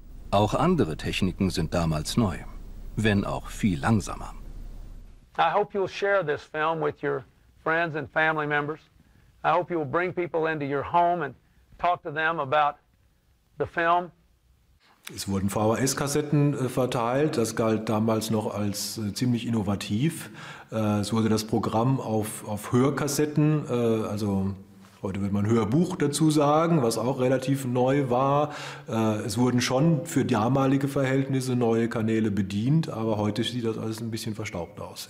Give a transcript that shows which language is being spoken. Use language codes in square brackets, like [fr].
[de] Auch andere Techniken sind damals neu, wenn auch viel langsamer. [en] I hope you'll share this film with your friends and family members. I hope you'll bring people into your home and talk to them about the film. [de] Es wurden VHS-Kassetten verteilt, das galt damals noch als ziemlich innovativ. Es wurde das Programm auf Hörkassetten, also heute würde man Hörbuch dazu sagen, was auch relativ neu war. Es wurden schon für damalige Verhältnisse neue Kanäle bedient, aber heute sieht das alles ein bisschen verstaubt aus.